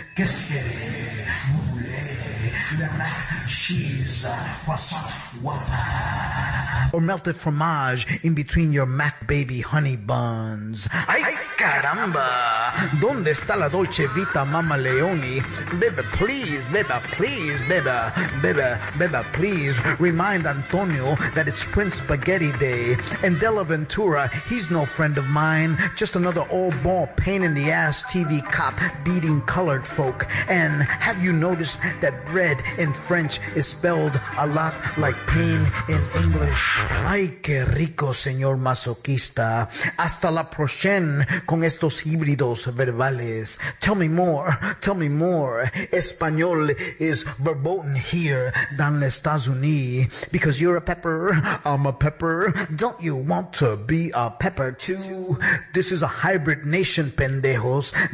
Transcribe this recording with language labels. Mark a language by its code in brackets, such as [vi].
[es] Qué es [fr] que vous voulez, la machise, croissant, [es] guapa. [en] Or melted fromage in between your Mac baby honey buns. [es] Ay, caramba. ¿Dónde está la Dolce Vita, Mama Leone? [en] Beba, please, beba, please, beba, beba, beba, please. Remind Antonio that it's Prince Spaghetti Day. And Della Ventura, he's no friend of mine. Just another old ball pain in the ass TV cop beating colored folk. And have you noticed that bread in French is spelled a lot like pain in English? [es] Ay, qué rico, señor masoquista. Hasta [fr] la prochaine [es] con estos híbridos verbales. [en] Tell me more, tell me more. Español is verboten here, [fr] dans les États-Unis. [en] Because you're a pepper, I'm a pepper. Don't you want to be a pepper too? This is a hybrid nation, pendejos.